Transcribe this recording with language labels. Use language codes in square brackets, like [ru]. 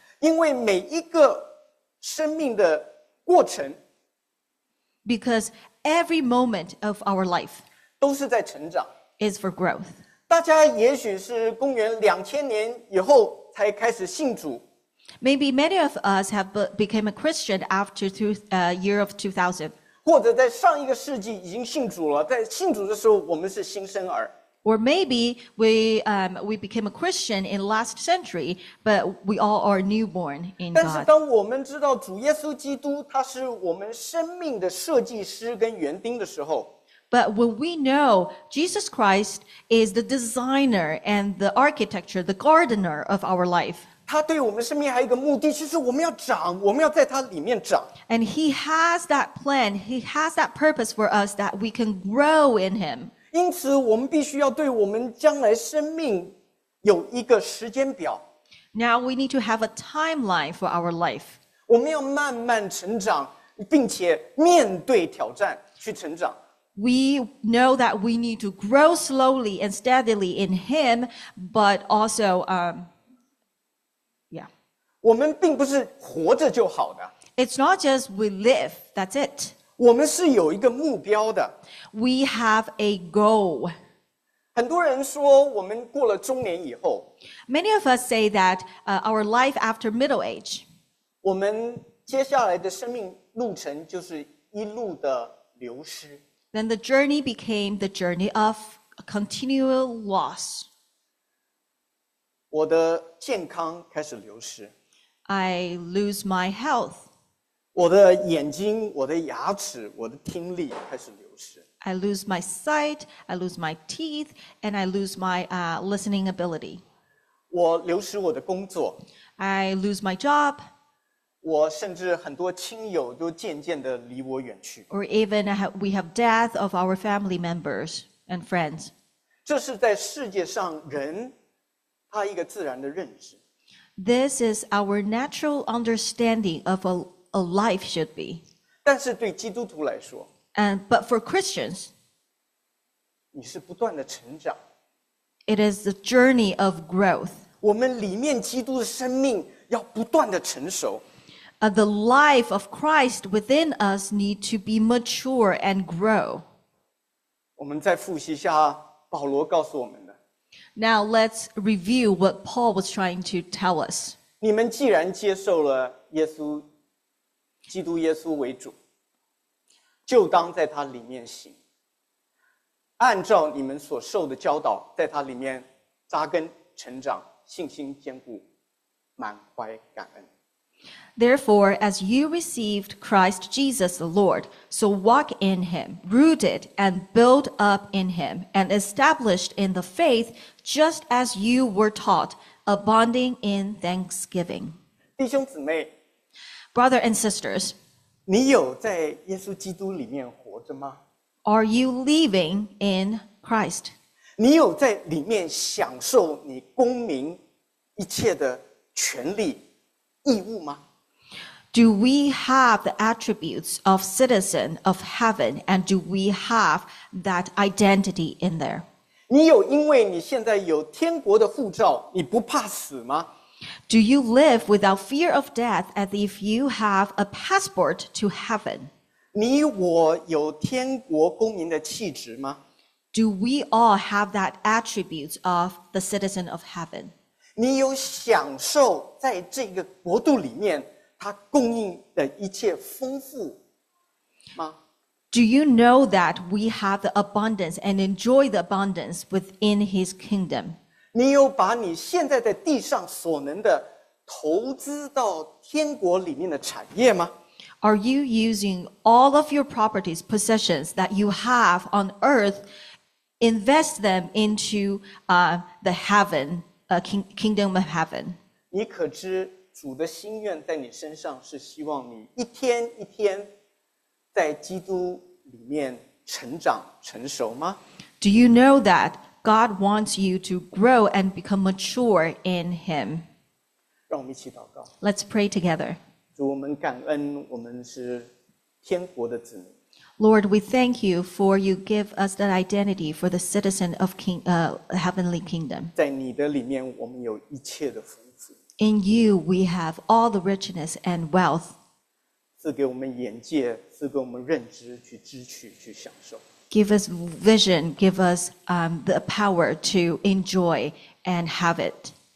[zh] 因为每一个生命的过程 [en] Because every moment of our life [zh] 都是在成长 [en] is for growth. [zh] 大家也许是公元2000年以后才开始信主 [en] Maybe many of us have become a Christian after the year of 2000. [zh] 或者在上一个世纪已经信主了，在信主的时候，我们是新生儿。 [en] Or maybe we became a Christian in last century, but we all are newborn in God. [zh] 但是当我们知道主耶稣基督他是我们生命的设计师跟园丁的时候 [en] ，But when we know Jesus Christ is the designer and the architecture, the gardener of our life. [zh] 他对我们生命还有一个目的，就是我们要长，我们要在他里面长。 [en] And he has that plan, he has that purpose for us that we can grow in him. [zh] 因此，我们必须要对我们将来生命有一个时间表。 [en] Now we need to have a timeline for our life. [zh] 我们要慢慢成长，并且面对挑战去成长。 [en] We know that we need to grow slowly and steadily in him, but also, [zh] 我们并不是活着就好的。 [en] It's not just we live, that's it. [zh] 我们是有一个目标的。 [en] We have a goal. [zh] 很多人说我们过了中年以后。 [en] Many of us say that our life after middle age. [zh] 我们接下来的生命路程就是一路的流失。 [en] Then the journey became the journey of continual loss. [zh] 我的健康开始流失。 [en] I lose my health. [zh] 我的眼睛，我的牙齿，我的听力开始流失。 [en] I lose my sight, I lose my teeth, and I lose my listening ability. [zh] 我流失我的工作。 [en] I lose my job. [zh] 我甚至很多亲友都渐渐地离我远去。 [en] Or even we have death of our family members and friends. [zh] 这是在世界上人他一个自然的认识。 [en] This is our natural understanding of a life should be. [zh] 但是对基督徒来说 [en] But for Christians, [zh] 你是不断的成长。 [en] It is the journey of growth. [zh] 我们里面基督的生命要不断的成熟。 [en] The life of Christ within us need to be mature and grow. [zh] 我们再复习一下保罗告诉我们。 [en] Now let's review what Paul was trying to tell us. [zh] 你们既然接受了耶稣，基督耶稣为主，就当在他里面行，按照你们所受的教导，在他里面扎根成长，信心坚固，满怀感恩。 [en] Therefore, as you received Christ Jesus the Lord, so walk in him, rooted and built up in him, and established in the faith, just as you were taught, abounding in thanksgiving. [zh] 弟兄姊妹, [en] Brother and sisters, [zh] 你有在耶稣基督里面活着吗? [en] Are you living in Christ? [zh] 你有在里面享受你公民一切的权利义务吗? [en] Do we have the attributes of citizen of heaven, and do we have that identity in there? [zh] 你有因为你现在有天国的护照，你不怕死吗? [en] Do you live without fear of death, as if you have a passport to heaven? [zh] 你我有天国公民的气质吗? [en] Do we all have that attributes of the citizen of heaven? [zh] 你有享受在这个国度里面他供应的一切丰富吗? [en] Do you know that we have the abundance and enjoy the abundance within his kingdom? [zh] 你有把你现在在地上所能的投资到天国里面的产业吗? [en] Are you using all of your properties, possessions that you have on earth, invest them into the heaven, kingdom of heaven? [zh] 你可知主的心愿在你身上是希望你一天一天在基督里面成长成熟吗？ [en] Do you know that God wants you to grow and become mature in Him? [zh] 让我们一起祷告。 [en] Let's pray together. [zh] 主，我们感恩，我们是天国的子民。 [en] Lord, we thank you for you give us that identity for the citizen of King, heavenly kingdom. [zh] 在你的里面，我们有一切的丰富。 [en] In you, we have all the richness and wealth. [zh] 赐给我们眼界，赐给我们认知，去支取，去享受。 [en] Give us vision, give us the power to enjoy and have it.